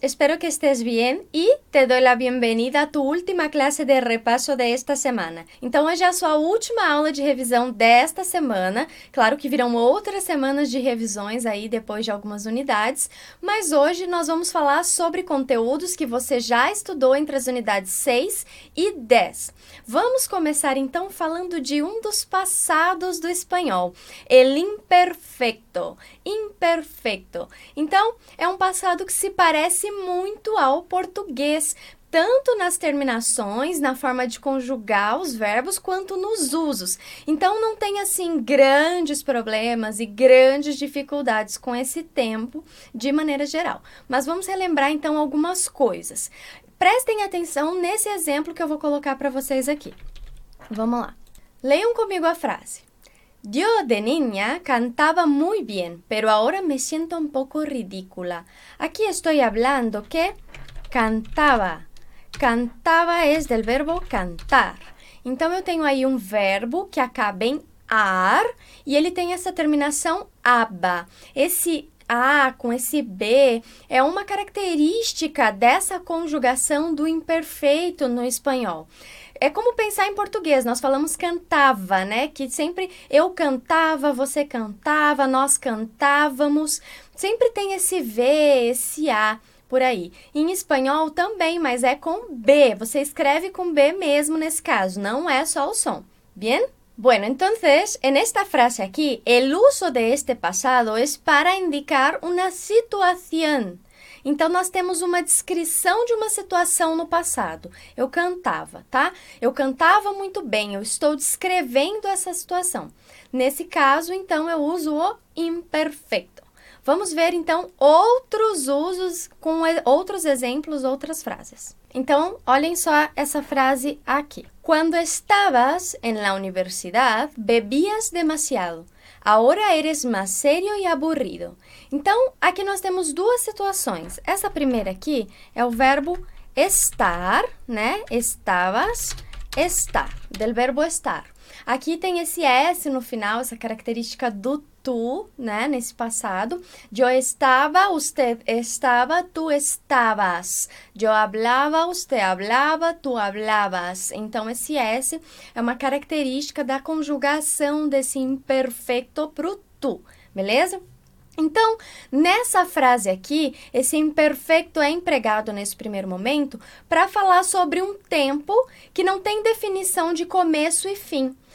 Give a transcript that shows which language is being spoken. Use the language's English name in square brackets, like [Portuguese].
[Spanish] Espero que estés bien y te doy la bienvenida a tu última clase de repaso de esta semana. [Portuguese] Então, hoje é a sua última aula de revisão desta semana. Claro que virão outras semanas de revisões aí depois de algumas unidades, mas hoje nós vamos falar sobre conteúdos que você já estudou entre as unidades 6 e 10. Vamos começar então falando de um dos passados do espanhol, [Spanish] el imperfecto. [Portuguese] Imperfecto. Então, é um passado que se parece muito ao português, tanto nas terminações, na forma de conjugar os verbos, quanto nos usos. Então, não tem, assim, grandes problemas e grandes dificuldades com esse tempo, de maneira geral. Mas vamos relembrar, então, algumas coisas. Prestem atenção nesse exemplo que eu vou colocar para vocês aqui. Vamos lá. Leiam comigo a frase. [Spanish] Yo de niña cantaba muy bien, pero ahora me siento un poco ridícula. Aquí estoy hablando que cantaba. Cantaba es del verbo cantar. [Portuguese] Então, eu tenho aí um verbo que acaba em ar e ele tem essa terminação aba. Esse A com esse B é uma característica dessa conjugação do imperfeito no espanhol. É como pensar em português, nós falamos cantava, né? Que sempre eu cantava, você cantava, nós cantávamos. Sempre tem esse V, esse A por aí. Em espanhol também, mas é com B. Você escreve com B mesmo nesse caso, não é só o som. [Spanish] Bien? Bueno, entonces, en esta frase aquí, el uso de este pasado es para indicar una situación. [Portuguese] Então, nós temos uma descrição de uma situação no passado. Eu cantava, tá? Eu cantava muito bem, eu estou descrevendo essa situação. Nesse caso, então, eu uso o imperfeito. Vamos ver, então, outros usos com outros exemplos, outras frases. Então, olhem só essa frase aqui. [Spanish] Cuando estabas en la universidad, bebías demasiado. Ahora eres más serio y aburrido. [Portuguese] Então, aqui nós temos duas situações. Essa primeira aqui é o verbo estar, né? [Spanish] Estabas, estar, del verbo estar. [Portuguese] Aqui tem esse S no final, essa característica do tu, né? Nesse passado. [Spanish] Yo estaba, usted estaba, tú estabas. Yo hablaba, usted hablaba, tú hablabas. [Portuguese] Então, esse S é uma característica da conjugação desse imperfeito pro tu, beleza? Então, nessa frase aqui, esse imperfeito é empregado nesse primeiro momento para falar sobre um tempo que não tem definição de começo e fim.